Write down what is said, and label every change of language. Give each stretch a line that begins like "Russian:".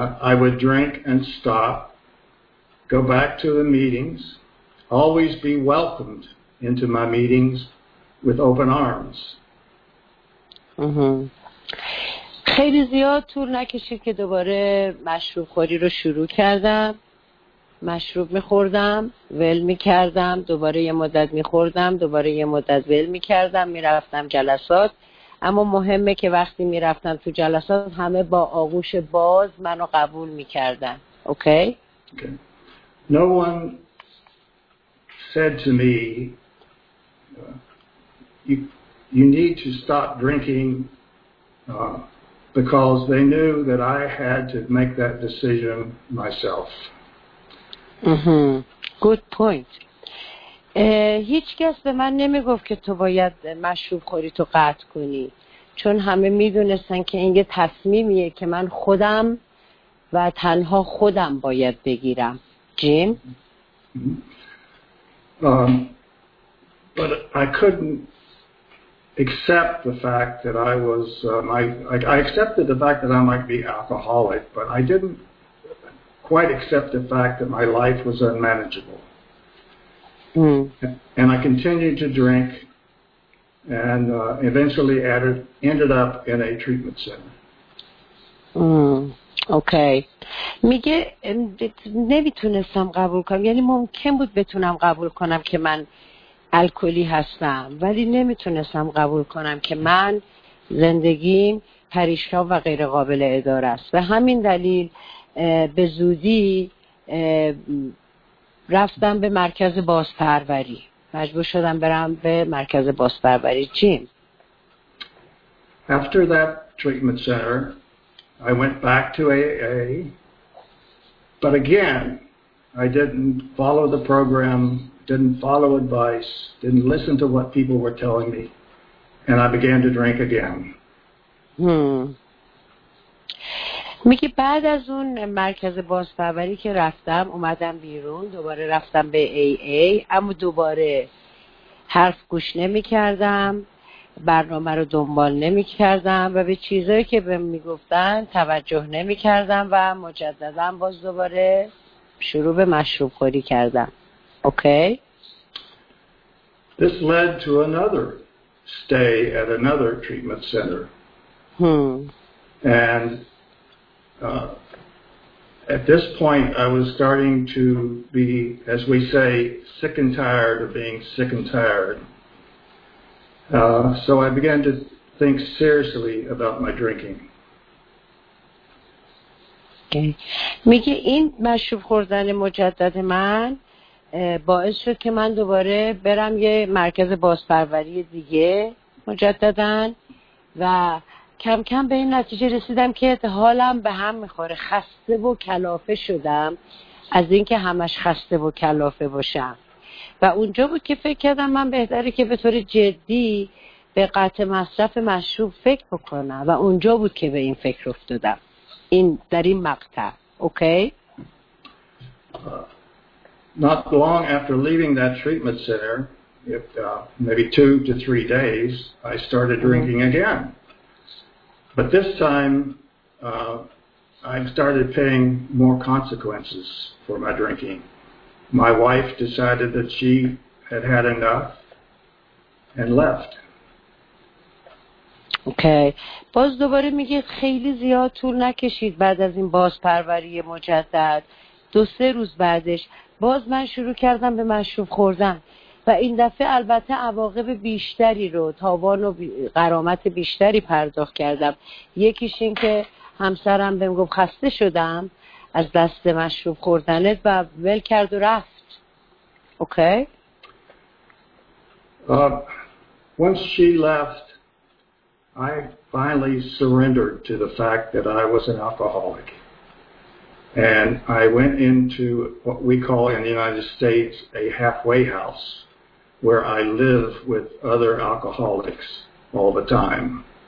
English: I would drink and stop, go back to the meetings, always be welcomed into my meetings with open arms.
Persian: خیلی زیاد طول نکشید که دوباره مشروب خوری رو شروع کردم. مشروب می‌خوردم، ول می‌کردم، دوباره یه مدت می‌خوردم، دوباره یه مدت ول می‌کردم، می‌رفتم جلسات. اما مهمه که وقتی می‌رفتم تو جلسات همه با آغوش باز منو قبول می‌کردن. اوکی؟
English: No one said to me, you need to stop drinking, because they knew that I had to make that decision myself. Good point.
Persian: هیچ کس به من نمیگفت که تو باید مشروب خوری تو قطع کنی، چون همه میدونستن که این یه تصمیمیه که من خودم و تنها خودم باید بگیرم. جیم؟
English: But I couldn't accept the fact that I was I accepted the fact that I might be alcoholic, but I didn't quite accept the fact that my life was unmanageable. And I continued to drink and eventually ended up in a treatment center.
Persian: اوکی. میگه نمیتونستم قبول کنم، یعنی ممکن بود بتونم قبول کنم که من الکلی هستم، ولی نمیتونستم قبول کنم که من زندگیم پریشان و غیر قابل اداره است. به همین دلیل به زودی رفتم به مرکز بازپروری، مجبور شدم برم به مرکز بازپروری. چیم؟
English: After that treatment center I went back to AA, but again, I didn't follow the program, didn't follow advice, didn't listen to what people were telling me, and I began to drink again.
Persian: میگه بعد از اون مرکز بازپروری که رفتم، اومدم بیرون، دوباره رفتم به AA، اما دوباره حرف گوش نمی کردم. برنامه رو دنبال نمی کردم و به چیزایی که به می گفتن توجه نمی کردم و مجدداً باز دوباره شروع به مشروب خوری کردم. اوکی؟
English: This led to another stay at another treatment center. And at this point I was starting to be, as we say, sick and tired of being sick and tired. So I began to think seriously about my drinking.
Persian: میگه این مشروب خوردن مجدد من باعث شد که من دوباره برم یه مرکز بازپروری دیگه مجددن و کم کم به این نتیجه رسیدم که حالم به هم میخوره، خسته و کلافه شدم از اینکه همش خسته و کلافه باشم. و اونجا بود که فکر کردم من بهتره که به طور جدی به قطع مصرف مشروب فکر بکنم و اونجا بود که به این فکر افتادم. این در این مقطع. اوکی؟
English: Not long after leaving that treatment center, if maybe 2 to 3 days, I started drinking again. But this time I started paying more consequences for my drinking. My wife decided that she had had enough and left. Okay.
Persian: باز دوباره میگه خیلی زیاد طول نکشید بعد از این بازپروری مجدد. 2-3 روز بعدش باز من شروع کردم به مشروب خوردن و این دفعه البته عواقب بیشتری رو، تاوان و غرامت بیشتری پرداخت کردم. یکیش این که همسرم بهم گفت خسته شدم از دست مشروب خوردنت و ول کرد و رفت. اوکی؟
English: Once she left, I finally surrendered to the fact that I was an alcoholic. And I went into what we call in the United States a halfway house, where I live with other alcoholics all the time.